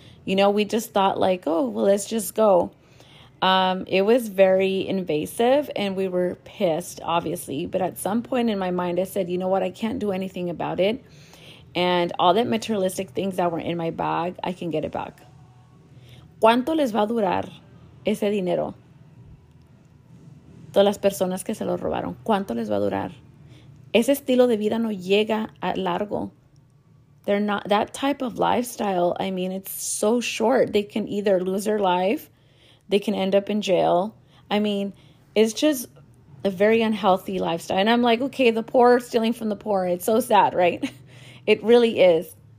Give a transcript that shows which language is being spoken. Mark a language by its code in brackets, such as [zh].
[en] You know, we just thought, like, oh, well, let's just go. It was very invasive, and we were pissed, obviously. But at some point in my mind, I said, you know what? I can't do anything about it. And all that materialistic things that were in my bag, I can get it back. [es] ¿Cuánto les va a durar ese dinero? Todas las personas que se lo robaron. ¿Cuánto les va a durar? Ese estilo de vida no llega a largo. [en] They're not that type of lifestyle. I mean, it's so short. They can either lose their life. They can end up in jail. I mean, it's just a very unhealthy lifestyle. And I'm like, okay, the poor are stealing from the poor. It's so sad, right? It really is.